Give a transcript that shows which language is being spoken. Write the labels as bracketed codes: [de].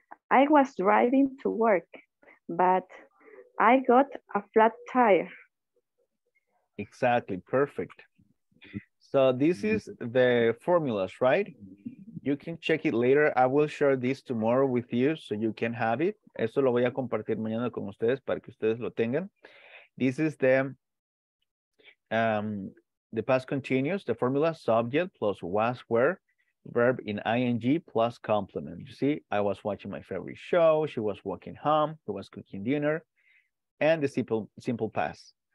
[en] I was driving to work, but I got a flat tire. Exactly, perfect. So this is the formulas, right? You can check it later. I will share this tomorrow with you so you can have it. [es] Eso lo voy a compartir mañana con ustedes para que ustedes lo tengan. [en] This is the past continuous, the formula subject plus was were, verb in ing plus complement. You see, I was watching my favorite show, she was walking home, he was cooking dinner, and the simple past.